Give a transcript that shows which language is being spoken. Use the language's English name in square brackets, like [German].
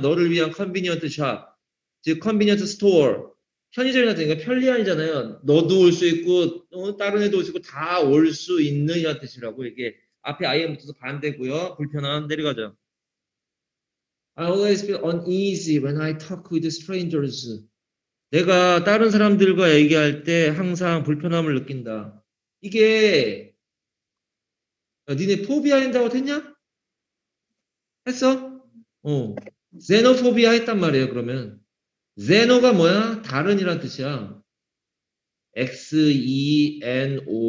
[Korean] 너를 위한 Convenience Shop. 즉, Convenience Store. 편의점이나 되니까 편리한이잖아요. 너도 올수 있고, 다른 애도 올수 있고, 다올수 있는 이란 뜻이라고. 이게 앞에 IM 붙어서 반대고요. 불편한. 내려가죠. [English] I always feel uneasy when I talk with strangers. [Korean] 내가 다른 사람들과 얘기할 때 항상 불편함을 느낀다. 이게, 야, 니네 포비아 한다고 했냐? 했어? 제노포비아 했단 말이에요, 그러면. 제노가 뭐야? 다른 이란 뜻이야. XENO.